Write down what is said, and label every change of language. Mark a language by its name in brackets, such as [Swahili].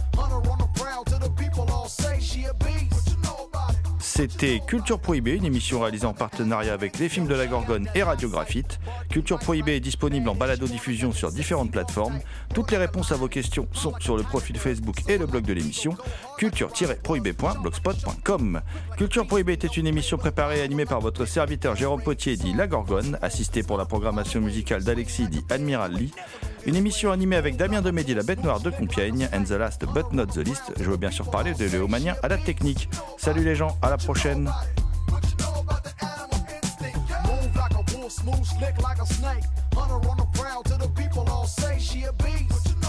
[English] Hunter on the ground till the people all say she a beast. [French] C'était Culture Prohibée, une émission réalisée en partenariat avec Les Films de la Gorgone et Radio Graphite. Culture Prohibée est disponible en balado-diffusion sur différentes plateformes. Toutes les réponses à vos questions sont sur le profil Facebook et le blog de l'émission culture-prohibée.blogspot.com. Culture Prohibée était une émission préparée et animée par votre serviteur Jérôme Potier, dit La Gorgone, assisté pour la programmation musicale d'Alexis, dit Admiral Lee. Une émission animée avec Damien Demédi, La Bête Noire de Compiègne, [English] and the last but not the least, [French] je veux bien sûr parler de Léo Manien à la technique. Salut les gens, à la prochaine. [English] Move like a bull, smooth, slick like a snake. Hunter on the ground till the people all say she a beast.